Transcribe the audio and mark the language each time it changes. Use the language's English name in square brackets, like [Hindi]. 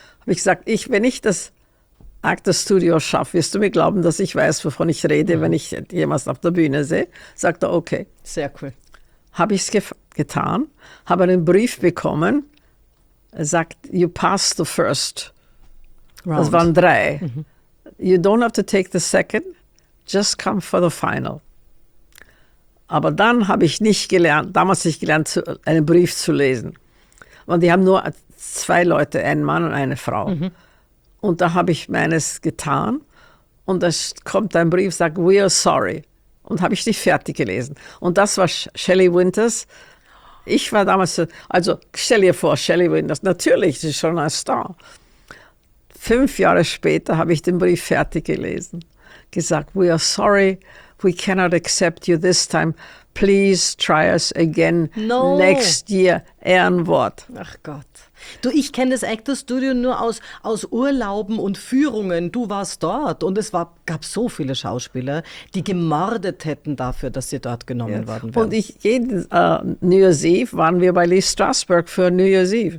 [German] Habe ich gesagt, wenn ich das... Actors Studio schafft. Wirst du mir glauben, dass ich weiß, wovon ich rede, wenn ich jemals auf der Bühne sehe? Sagt er, okay. Sehr cool. Habe ich es getan, habe einen Brief bekommen, sagt, [English] you passed the first round. [German] Das waren 3. Mhm. [English] You don't have to take the second, just come for the final. [German] Aber dann habe ich nicht gelernt, damals nicht gelernt, einen Brief zu lesen. Und die haben nur 2 Leute, einen Mann und eine Frau. Mhm. Und da habe ich meines getan und da kommt ein Brief, sagt, [English] we are sorry. [German] Und habe ich nicht fertig gelesen. Und das war Shelley Winters. Ich war damals, also stell dir vor, Shelley Winters, natürlich, sie ist schon ein Star. 5 Jahre später habe ich den Brief fertig gelesen. Gesagt, [English] we are sorry, we cannot accept you this time. Please try us again next year. [German] Ehrenwort. Ach Gott. Du, ich kenne das Actors Studio nur aus Urlauben und Führungen. Du warst dort und gab so viele Schauspieler, die gemordet hätten dafür, dass sie dort genommen worden wären. Und ich jeden New Year's Eve waren wir bei Lee Strasberg für New Year's Eve.